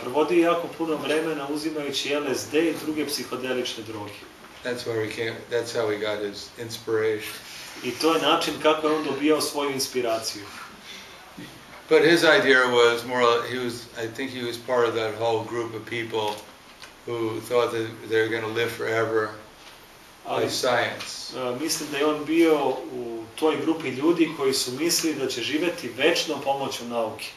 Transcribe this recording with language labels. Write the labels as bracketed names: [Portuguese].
[Serbian] Provodio jako puno vremena uzimajući LSD i druge psihodelične droge. [English] That's where he came, that's how he got his inspiration. [Serbian] I to je način kako je on dobijao svoju inspiraciju. [English] But his idea was more, he was, I think he was part of that whole group of people who thought that they were going to live forever. [Serbian] Ali, mislim da je on bio u toj grupi ljudi koji su mislili da će živjeti večno pomoću nauke.